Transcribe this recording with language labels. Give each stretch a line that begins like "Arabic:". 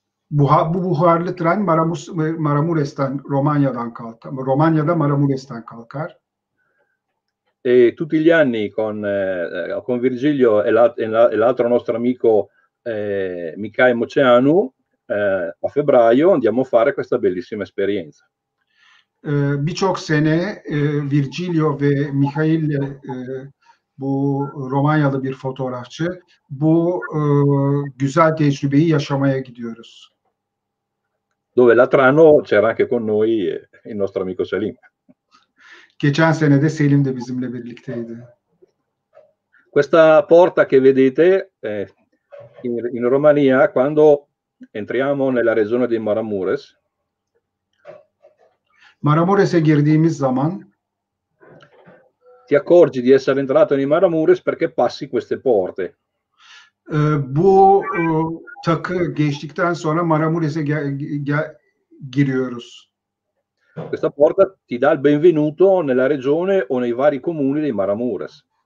Turkish: Bu buharlı tren Maramures'ten Romanya'dan kalkar. Romanya'da Maramures'ten kalkar.
Italian: E tutti gli anni con Virgilio e l'altro nostro amico Mikhail Moceanu a febbraio andiamo a fare questa bellissima esperienza.
Turkish: Birçok sene Virgilio ve Mikhail bu Romanyalı bir fotoğrafçı bu güzel tecrübeyi yaşamaya gidiyoruz.
Italian: Dove l'altro anno c'era anche con noi il nostro amico Selim.
Turkish: Geçen sene de Selim de bizimle birlikteydi.
Italian: Questa porta che vedete in Romania quando entriamo nella regione di Maramures.
Turkish: Maramures'e girdiğimiz zaman
Italian: ti accorgi di essere entrato in Maramures perché passi queste porte.
Turkish: Bu takı geçtikten sonra Maramures'e giriyoruz. Questa porta ti dà il benvenuto nella regione o nei vari comuni di Maramures.